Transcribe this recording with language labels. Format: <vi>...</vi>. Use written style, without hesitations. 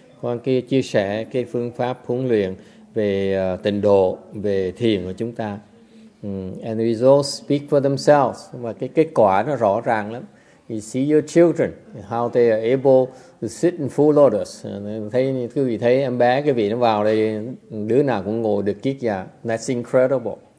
<vi>Qua kia chia sẻ cái phương pháp huấn luyện về tịnh độ, về thiền của chúng ta.</vi> <en>And the results speak for themselves.</en> <vi>Và cái kết quả nó rõ ràng lắm.</vi> <en>You see your children, how they are able to sit in full lotus.</en> <vi>Thấy, quý vị thấy em bé, cái vị nó vào đây, đứa nào cũng ngồi được kiết dạ.</vi> <en>That's incredible.</en>